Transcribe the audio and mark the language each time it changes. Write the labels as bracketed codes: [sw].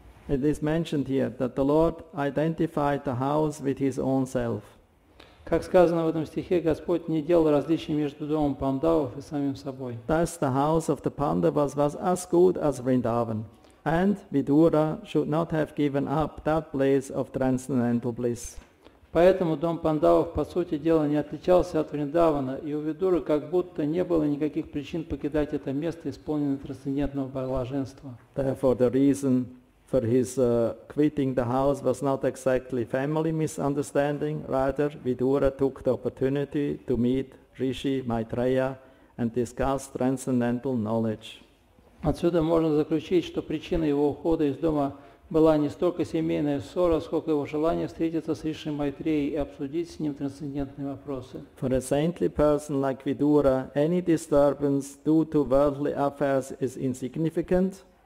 [en] It is mentioned here that the Lord identified the house with his own self. [ru] Как сказано в этом стихе, Господь не делал различий между домом Пандавов и самим собой. [en] Thus the house of the Pandavas was as good as Vrindavan, and Vidura should not have given up that place of transcendental bliss. [ru] Поэтому дом Пандавов, по сути дела, не отличался от Вриндавана, и у Видуры как будто не было никаких причин покидать это место, исполненное трансцендентного блаженства. [en] Therefore, the reason for his quitting the house was not exactly family misunderstanding. Rather, Vidura took the opportunity to meet Rishi Maitreya and discuss transcendental knowledge. [ru] Отсюда можно заключить, что причина его ухода из дома была не столько семейная ссора, сколько его желание встретиться с Риши Майтреей и обсудить с ним трансцендентные вопросы. [en] For a saintly person like Vidura, any disturbance due to worldly affairs is insignificant.